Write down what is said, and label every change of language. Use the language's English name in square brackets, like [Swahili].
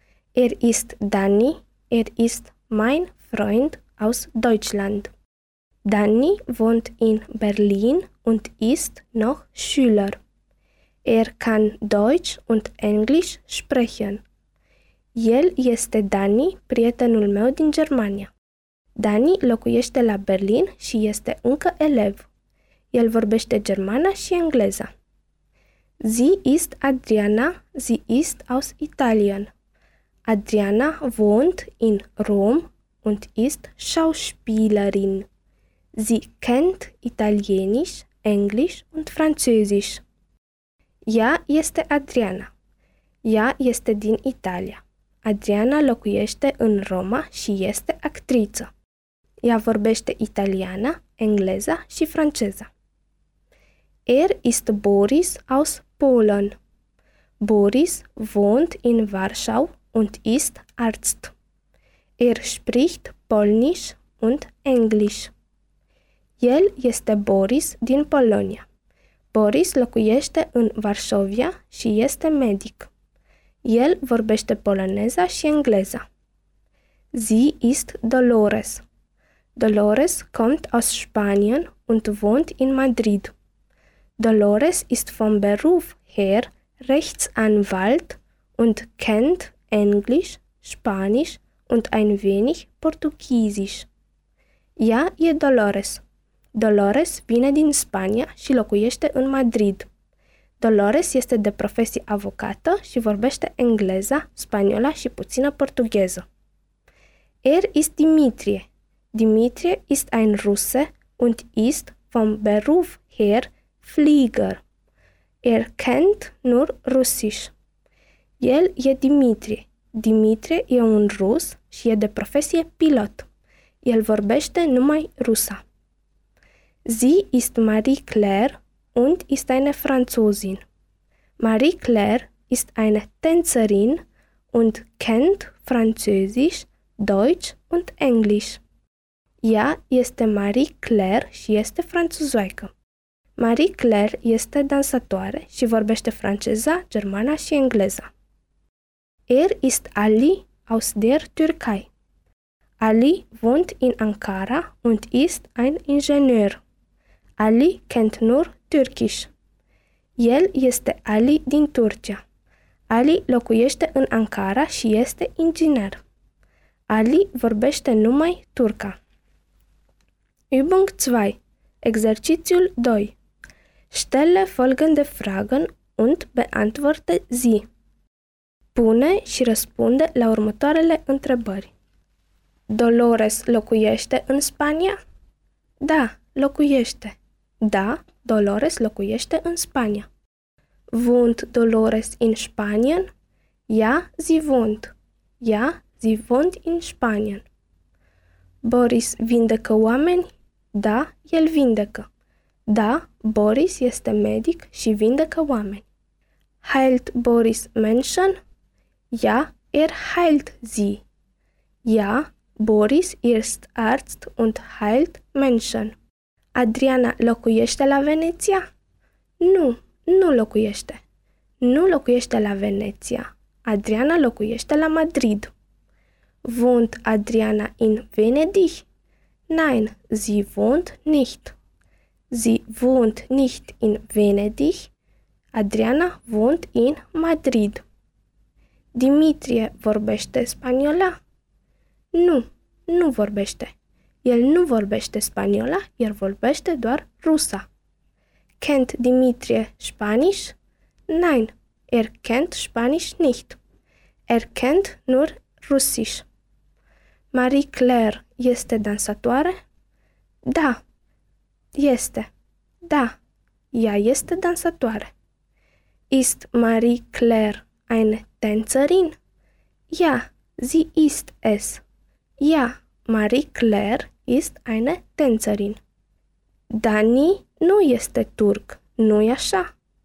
[German] Er ist Danny, er ist mein Freund aus Deutschland. Danny wohnt in Berlin und ist noch Schüler. Er kann Deutsch und Englisch sprechen. [Romanian] El este Dani, prietenul meu din Germania. Dani locuiește la Berlin și este încă elev. El vorbește germana și engleza. [German] Sie ist Adriana, sie ist aus Italien. Adriana wohnt in Rom und ist Schauspielerin. Sie kennt Italienisch, Englisch und Französisch. [Romanian] Ea este Adriana. Ea este din Italia. Adriana locuiește în Roma și este actriță. Ea vorbește italiană, engleză și franceză. [German] Er ist Boris aus Polen. Boris wohnt in Warschau und ist Arzt. Er spricht Polnisch und Englisch. [Romanian] El este Boris din Polonia. Boris locuiește în Varșovia și este medic. El vorbește poloneza și engleza. [German] Sie ist Dolores. Dolores kommt aus Spanien und wohnt in Madrid. Dolores ist vom Beruf her Rechtsanwalt und kennt Englisch, Spanisch und ein wenig Portugiesisch. [Romanian] Ea e Dolores. Dolores vine din Spania și locuiește în Madrid. Dolores este de profesie avocată și vorbește engleza, spaniola și puțină portugheză. [German] Er ist Dimitrie. Dimitrie ist ein Russe und ist vom Beruf her Flieger. Er kennt nur Russisch. [Romanian] El e Dimitrie. Dimitrie e un rus și e de profesie pilot. El vorbește numai rusa. [German] Sie ist Marie-Claire und ist eine Französin. Marie-Claire ist eine Tänzerin und kennt Französisch, Deutsch und Englisch. [Romanian] Ea este Marie-Claire și este franțuzoaică. Marie-Claire este dansatoare și vorbește franceza, germana și engleza. [German] Er ist Ali aus der Türkei. Ali wohnt in Ankara und ist ein Ingenieur. Ali kennt nur Türkisch. [Romanian] El este Ali din Turcia. Ali locuiește în Ankara și este inginer. Ali vorbește numai turca. [German] Übung 2. [Romanian] Exercițiul 2. [German] Stelle folgende Fragen und beantworte sie. [Romanian] Pune și răspunde la următoarele întrebări. Dolores locuiește în Spania? Da, locuiește. Da, Dolores locuiește în Spania. [German] Wohnt Dolores in Spanien? Ja, sie wohnt. Ja, sie wohnt in Spanien. [Romanian] Boris vindecă oameni? Da, el vindecă. Da, Boris este medic și vindecă oameni. [German] Heilt Boris Menschen? Ja, heilt sie. Ja, Boris ist Arzt und heilt Menschen. [Romanian] Adriana locuiește la Veneția? Nu, nu locuiește. Nu locuiește la Veneția. Adriana locuiește la Madrid. [German] Wohnt Adriana in Venedig? Nein, sie wohnt nicht. Sie wohnt nicht in Venedig. Adriana wohnt in Madrid. [Romanian] Dimitrie vorbește spaniola? Nu, nu vorbește. El nu vorbește spaniola, iar vorbește doar rusa. [German] Kennt Dimitrie Spanisch? Nein, kennt Spanisch nicht. Kennt nur Russisch. [Romanian] Marie-Claire este dansatoare? Da, este. Da, ea este dansatoare. [German] Ist Marie-Claire eine Tänzerin? Ja, sie ist es. Ja, Marie-Claire ist eine Tänzerin. [Romanian] Dani nu este turc, nu-i așa?